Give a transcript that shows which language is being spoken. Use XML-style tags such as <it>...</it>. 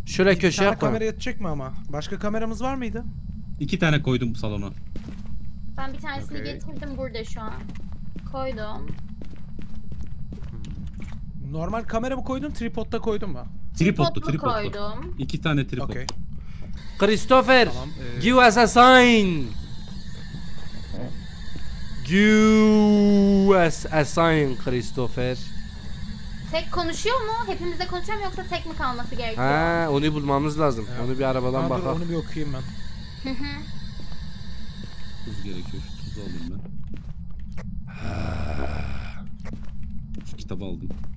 <tr>Şöyle köşe yap. Kamera yetecek mi ama? Başka kameramız var mıydı? İki tane koydum salona. Ben bir tanesini getirdim burada şu an. Koydum. Normal kamera mı koydun, tripod'ta koydun mu? Tripod'ta koydum. İki tane tripod. Okay.</tr> <en>Christopher,</en> <tr>tamam,</tr> <en>give us a sign. Give us a sign, Christopher.</en> <tr>Tek konuşuyor mu? Hepimiz de konuşuyor mu, yoksa tek mi kalması gerekiyor? Ha, onu bulmamız lazım. Evet. Onu bir arabadan bakalım. Onu bir okuyayım ben. Tuz gerekiyor. Tuz alayım ben. Şu kitabı aldım.</tr>